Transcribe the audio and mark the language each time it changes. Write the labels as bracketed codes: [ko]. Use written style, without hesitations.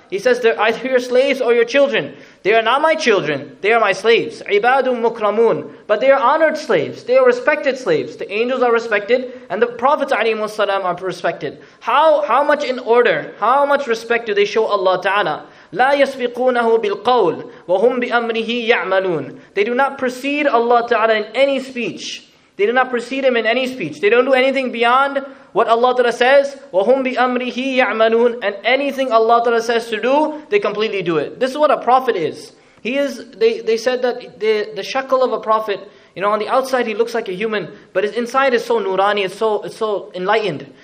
[en] He says they're either your slaves or your children. They are not my children. They are my slaves. [ar] Ibadun mukramun. [en] But they are honored slaves. They are respected slaves. The angels are respected. And the prophets ﷺ are respected. How much in order, how much respect do they show Allah Ta'ala? [ar] لا يسبقونه بالقول وهم بأمره يعملون. [en] They do not precede Allah Ta'ala in any speech. They do not precede Him in any speech. They don't do anything beyond what Allah Ta'ala says. [ar] وَهُمْ بِأَمْرِهِ يَعْمَلُونَ. [en] And anything Allah Ta'ala says to do, they completely do it. This is what a prophet is. He is. They said that the shakl of a prophet, you know, on the outside he looks like a human, but his inside is so nurani, it's so enlightened.